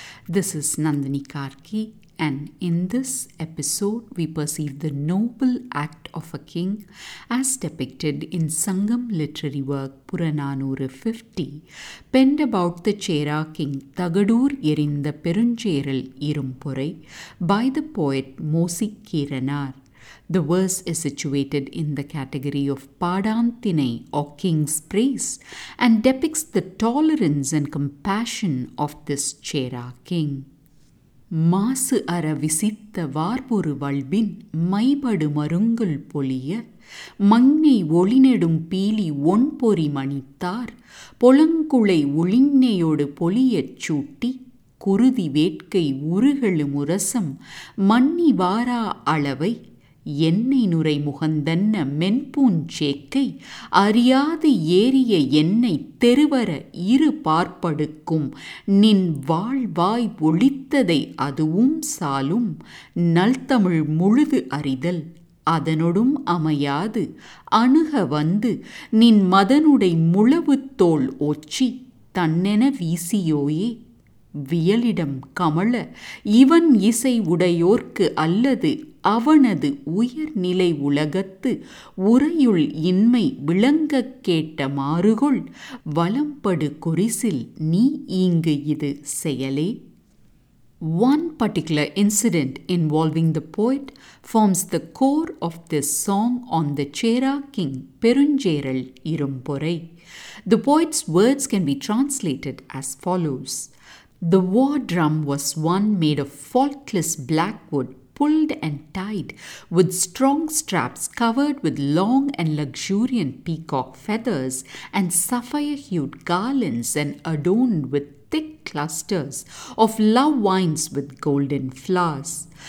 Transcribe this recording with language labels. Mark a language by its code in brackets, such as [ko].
[en] This is Nandini Karki, and in this episode we perceive the noble act of a king as depicted in Sangam literary work Purananooru 50, penned about the Chera king Thagadoor Erindha Perunjeral Irumpurai by the poet Mosi Keeranar. The verse is situated in the category of Padanthinai or King's Praise and depicts the tolerance and compassion of this Chera king. [ta] Masu ara visitha varpuru valbin maipadu marungul poliya mangnei olinedum peeli onpori manithar polangkulai ulinneyodu poliyat chooti kurudi vetkai urugalu murasam manni vara alavai எண்ணெய் நுரை முகந்தன்ன மென்பூஞ்சேக்கை அறியாது ஏறிய எண்ணெய் தெருவர இரு பார்ப்படுக்கும் நின் வாழ்வாய் ஒழித்ததை அதுவும் சாலும் நல்தமிழ் முழுது அறிதல் அதனொடும் அமையாது அணுக வந்து நின் மதனுடை முழவு தோல் ஒச்சி தன்னென வீசியோயே வியலிடம் கமல இவன் இசை உடையோர்க்கு அல்லது அவனது உயர்நிலை உலகத்து உரையுள் இன்மை விளங்கக் கேட்ட மாறுகொள் வலம்படு குறிசில் நீ இங்கு இது செயலே. [en] One particular incident involving the poet forms the core of this song on the Chera king Perunjeral Irumpurai. The poet's words can be translated as follows. The war drum was one made of faultless black wood, pulled and tied with strong straps, covered with long and luxuriant peacock feathers and sapphire-hued garlands, and adorned with thick clusters of love vines with golden flowers.